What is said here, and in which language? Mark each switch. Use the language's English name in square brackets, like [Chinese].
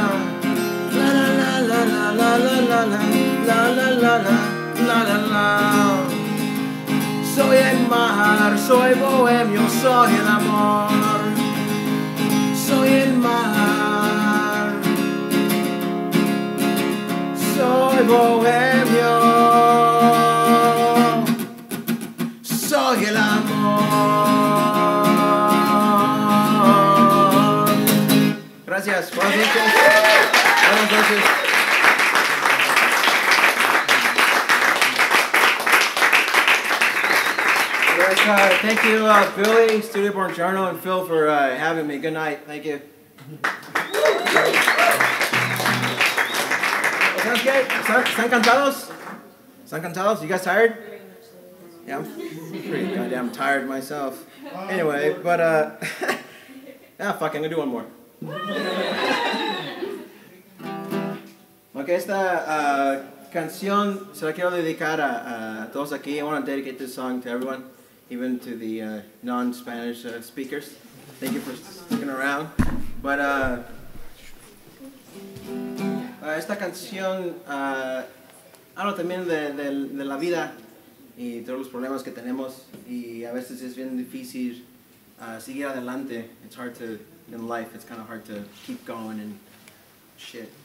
[Spanish] la la la la la la la la la la la. Soy el mar, soy bohemio, soy el amor. Soy el mar, soy bohemio, soy el amor. Gracias, buenas noches. Buenas noches. [English] Thank you, Billy, Studio Born Journal, and Phil for having me. Good night. Thank you. Well, sounds good. [Spanish] ¿Están cansados? ¿Están cansados? [English] You guys tired? Yeah, I'm pretty goddamn tired myself. Anyway, but, yeah, fuck, I'm gonna do one more. [Spanish] Okay, esta canción se la quiero dedicar a todos aquí. [English] I want to dedicate this song to everyone. Even to the non-Spanish speakers. Thank you for sticking around. [Spanish] But, esta canción habla también de la vida y todos los problemas que tenemos. Y a veces es bien difícil seguir adelante. [English] It's hard to, in life, it's kind of hard to keep going and shit.